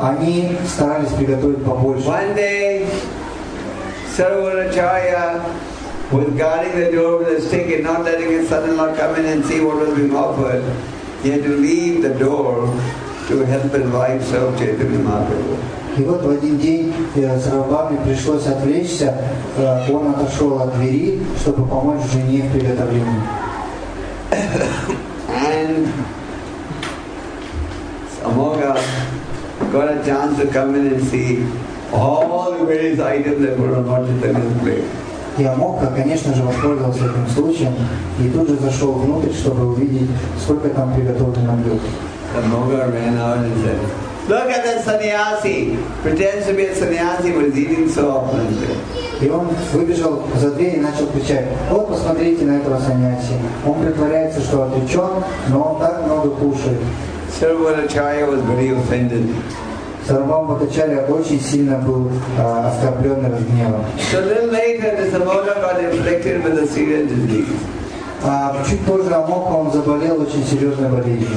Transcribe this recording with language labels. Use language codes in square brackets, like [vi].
[ru] они старались приготовить побольше. [en] One day, Sarvabhaumacharya was guarding the door with a stick and not letting his son-in-law come in and see what was being offered. He had to leave the door to help his wife serve Chaitanya Mahaprabhu. [ru] И вот в один день Сарвабхауме пришлось отвлечься, он отошел от двери, чтобы помочь жене в приготовлении. [en] And Amogha got a chance to come in and see all the various items that were on Chaitanya's plate. [ru] И Амогха, конечно же, воспользовался этим случаем и тут же зашел внутрь, чтобы увидеть, сколько там приготовлено блюд. [en] Амогха ran out and said, "Look at that sannyasi. Pretends to be a sannyasi, but is eating so often." [ru] И он выбежал за дверь и начал кричать: "Вот посмотрите на этого сannyasi. Он притворяется, что отречен, но он так много кушает." [en] Sarvabhaumacharya was very offended. [ru] Сарвабхаума Бхаттачарья очень сильно был оскорблен и разгневан. [en] So a little later, this Amogha got inflicted with a serious disease. [ru] Чуть позже Амогха он заболел очень серьезной болезнью.